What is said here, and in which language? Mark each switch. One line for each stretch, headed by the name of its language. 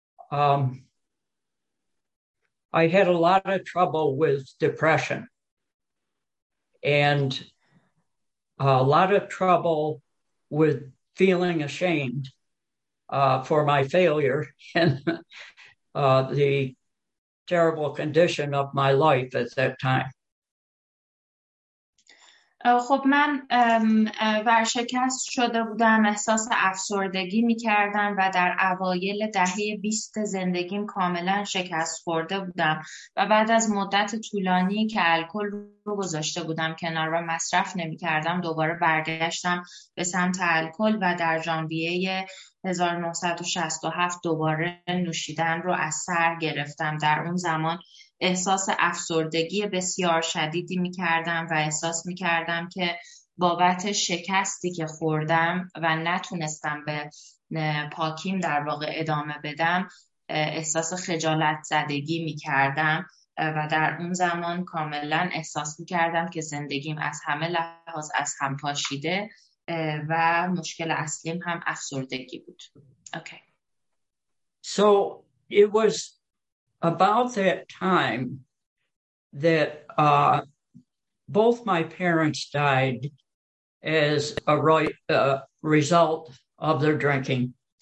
English: I had a lot of trouble with depression and a lot of trouble with feeling ashamed for my failure and the terrible condition of my life at that time.
Persian: خب من ورشکست شده بودم، احساس افسردگی می کردم و در اوایل دهه 20 زندگیم کاملا شکست خورده بودم و بعد از مدت طولانی که الکل رو گذاشته بودم کنار و مصرف نمی کردم دوباره برگشتم به سمت الکل و در ژانویه 1967 دوباره نوشیدن رو از سر گرفتم. در اون زمان احساس افسردگی بسیار شدیدی می کردم و احساس می کردم که بابت شکستی که خوردم و نتونستم به پاکیم در واقع ادامه بدم احساس خجالت زدگی می کردم و در اون زمان کاملا احساس می کردم که زندگیم از همه لحاظ از هم پاشیده و مشکل اصلیم هم افسردگی بود.
English: Okay. So it was about that time that both my parents died as a result of their drinking.